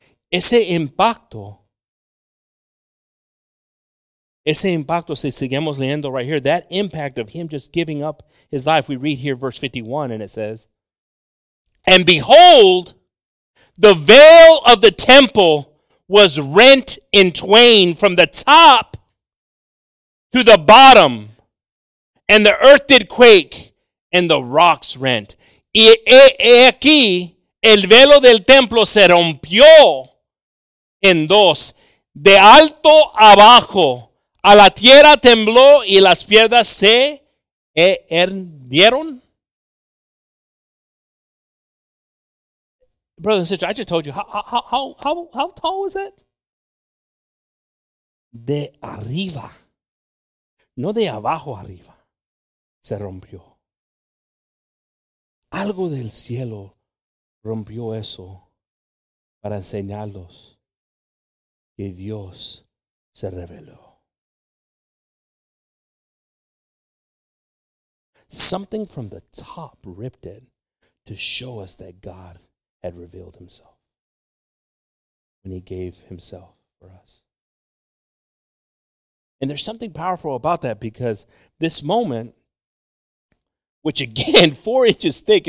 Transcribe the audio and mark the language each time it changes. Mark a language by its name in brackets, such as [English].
[Spanish] Ese impacto, si seguimos leyendo [English] right here, that impact of him just giving up his life, we read here verse 51 and it says, and behold, the veil of the temple was rent in twain from the top to the bottom. And the earth did quake and the rocks rent. [Spanish] Y aquí, el velo del templo se rompió en dos, de alto abajo. A la tierra tembló y las piedras se hendieron. [English] Brother and sister, I just told you, how tall was that? [Spanish] De arriba. No de abajo arriba. Se rompió. Algo del cielo rompió eso para enseñarlos que Dios se reveló. [English] Something from the top ripped it to show us that God had revealed himself when he gave himself for us. And there's something powerful about that, because this moment which again, 4 inches thick.